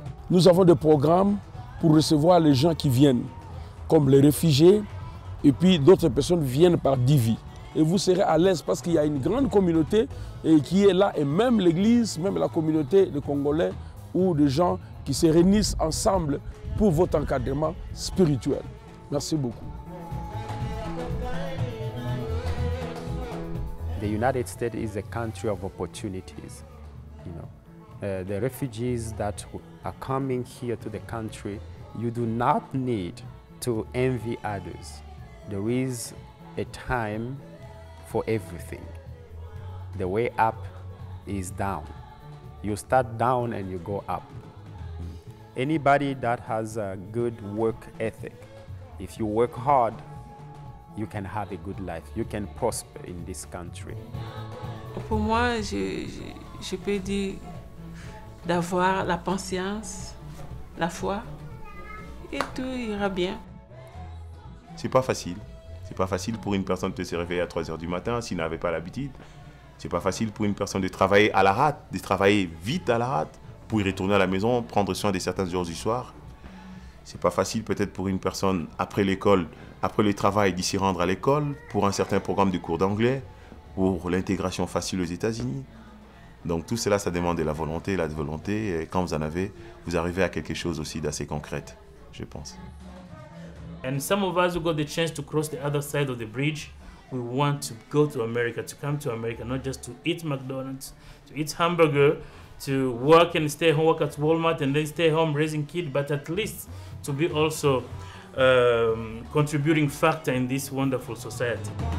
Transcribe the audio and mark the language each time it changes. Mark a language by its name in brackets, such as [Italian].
[French] nous avons des programmes pour recevoir les gens qui viennent, comme les réfugiés, et puis d'autres personnes viennent par Divi. Et vous serez à l'aise parce qu'il y a une grande communauté qui est là, et même l'Église, même la communauté de Congolais ou de gens qui se réunissent ensemble pour votre encadrement spirituel. Merci beaucoup. [English] The United States is a country of opportunities. You know, the refugees that are coming here to the country, you do not need to envy others. There is a time for everything. The way up is down. You start down and you go up. Anybody that has a good work ethic, if you work hard, you can have a good life. You can prosper in this country. [French] Pour moi, je peux dire d'avoir la patience, la foi, et tout ira bien. C'est pas facile. C'est pas facile pour une personne de se réveiller à 3h du matin s'il n'avait pas l'habitude. C'est pas facile pour une personne de travailler à la rate, de travailler vite à la rate, pour y retourner à la maison, prendre soin de certains heures du soir. C'est pas facile peut-être pour une personne après l'école, après le travail, d'y s'y rendre à l'école pour un certain programme de cours d'anglais, pour l'intégration facile aux États-Unis. Donc tout cela, ça demande de la volonté, la volonté. Et quand vous en avez, vous arrivez à quelque chose aussi d'assez concrète, je pense. [English] And some of us who got the chance to cross the other side of the bridge, we want to go to America, to come to America, not just to eat McDonald's, to eat hamburger, to work and stay home, work at Walmart and then stay home raising kids, but at least to be also contributing factor in this wonderful society.